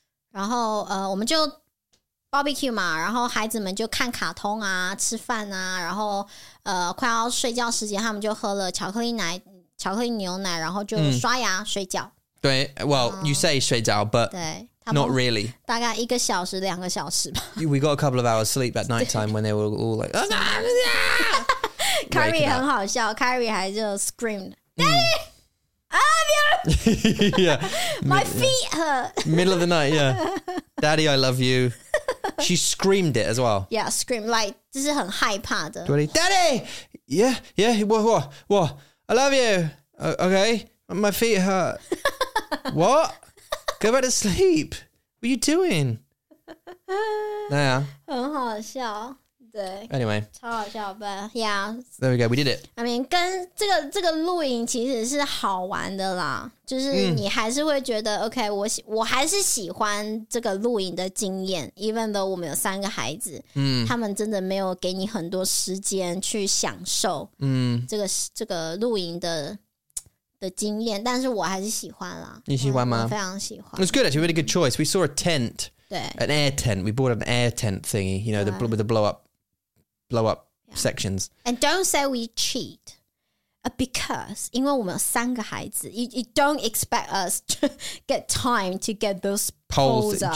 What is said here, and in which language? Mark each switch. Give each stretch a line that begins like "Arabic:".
Chinese: 然后我们就 barbecue 嘛，然后孩子们就看卡通啊，吃饭啊，然后快要睡觉时间，他们就喝了巧克力牛奶，然后就刷牙睡觉。
English: 对 ，Well, you say 睡觉 ，but not really.
Chinese: 大概一个小时、两个小时吧。
English: We got a couple of hours sleep at night time when they were all like, "Ah!"
Chinese: Carrie 很好笑 ，Carrie 还就
English: screamed, "Daddy!" yeah. My feet hurt. Middle of the night, yeah. Daddy, I love you. She screamed it as well. Yeah, screamed. Like,
Chinese: 这是很害怕的。
English: Daddy, Daddy! Yeah, yeah. What? I love you. Okay. My feet hurt. What? Go back to sleep. What are you doing? Yeah.
Chinese: 很好笑。对
English: ，Anyway，
Chinese: 超好笑
English: ，But yeah， there we go， we did it。 I mean，
Chinese: 跟这个露营其实是好玩的啦，就是你还是会觉得 OK， 我还是喜欢这个露营的经验 ，
English: Even though
Chinese: 我们有三个孩子，他们真的没有给你很多时间去享受，这个露营的经验，但是我还是喜欢啦。你喜欢吗？我非常喜欢。
English: It's good, actually, really good choice. We saw a tent. An air tent. We bought an air tent thingy, you know, with the blow up sections. And don't say we cheat because
Chinese: 因为我们有三个孩子
English: you don't expect us to get time to get those poles up.